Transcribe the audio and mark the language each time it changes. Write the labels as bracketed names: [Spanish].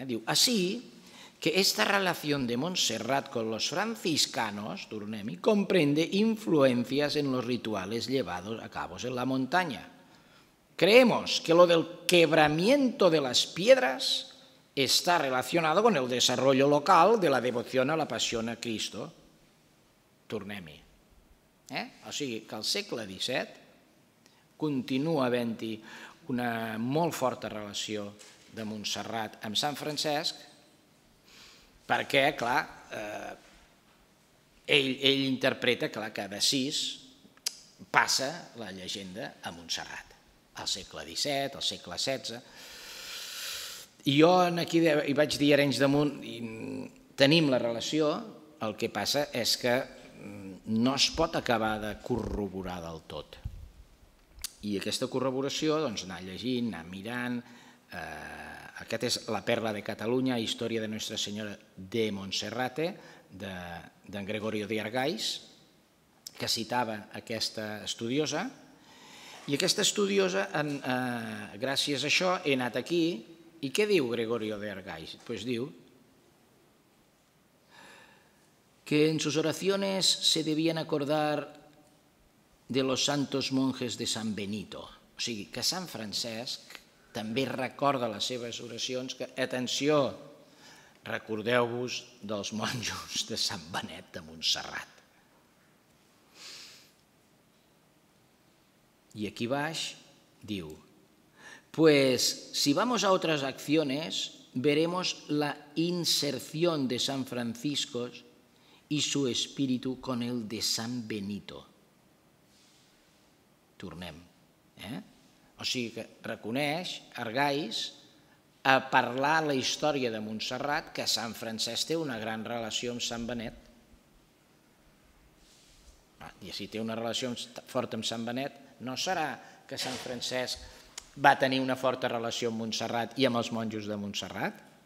[Spanish] Diu: así que esta relación de Montserrat con los franciscanos, tornem-hi, comprende influencias en los rituales llevados a cabo en la montaña. Creemos que lo del quebramiento de las piedras está relacionado con el desarrollo local de la devoción a la pasión a Cristo. [Catalan] Tornem-hi. O sigui, que al segle XVII continua havent-hi una molt forta relació de Montserrat amb Sant Francesc, perquè, clar, ell interpreta, clar, que d'Assís passa la llegenda a Montserrat. Al segle XVII, al segle XVI... I jo aquí hi vaig dir Arenys de Munt, tenim la relació, el que passa és que no es pot acabar de corroborar del tot. I aquesta corroboració, doncs, anar llegint, anar mirant, aquest és La Perla de Catalunya, Història de Nostra Senyora de Montserrate, d'en Gregorio de Argais, que citava aquesta estudiosa, i aquesta estudiosa, gràcies a això, he anat aquí. I què diu Gregorio de Argais? [Spanish] Pues diu que en sus oraciones se debían acordar de los santos monjes de San Benito. [Catalan] O sigui, que Sant Francesc també recorda les seves oracions que, atenció, recordeu-vos dels monjos de Sant Benet de Montserrat. I aquí baix diu, [Spanish] pues si vamos a otras acciones, veremos la inserción de San Francisco y su espíritu con el de San Benito. [Catalan] Tornem. O sigui que reconeix Argais a parlar la història de Montserrat que Sant Francesc té una gran relació amb Sant Benet. I si té una relació forta amb Sant Benet, no serà que Sant Francesc va tenir una forta relació amb Montserrat i amb els monjos de Montserrat?